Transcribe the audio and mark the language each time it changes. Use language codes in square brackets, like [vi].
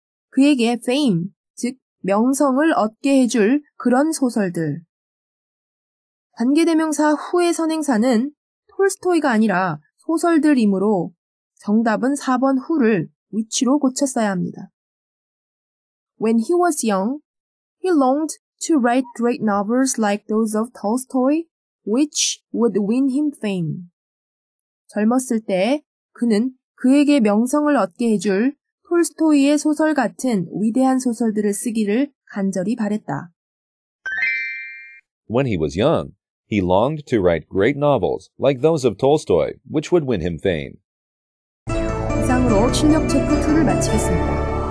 [ko] 그에게 fame, 즉 명성을 얻게 해줄 그런 소설들. 관계대명사 후의 선행사는 톨스토이가 아니라 소설들이므로 정답은 4번 who를 which로 고쳤어야 합니다. [en] When he was young, he longed to write great novels like those of Tolstoy, which would win him fame. [ko] 젊었을 때 그는 그에게 명성을 얻게 해줄 톨스토이의 소설 같은 위대한 소설들을 쓰기를 간절히 바랬다. [en] When he was young, he longed to write great novels like those of Tolstoy, which would win him fame. [ko] 이상으로 실력 체크 2를 마치겠습니다.